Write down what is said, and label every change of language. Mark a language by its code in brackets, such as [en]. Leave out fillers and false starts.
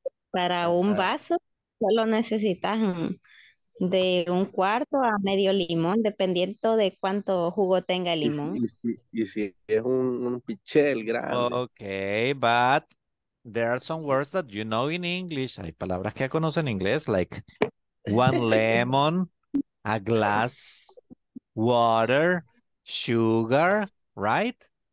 [es] Para un vaso solo necesitas de un cuarto a medio limón, dependiendo de cuánto jugo tenga el limón. Y si es un pichel grande. [en] Okay, but there are some words that you know in English. [es] Hay palabras que ya conocen en inglés, [en] like one lemon, a glass, water, sugar, right?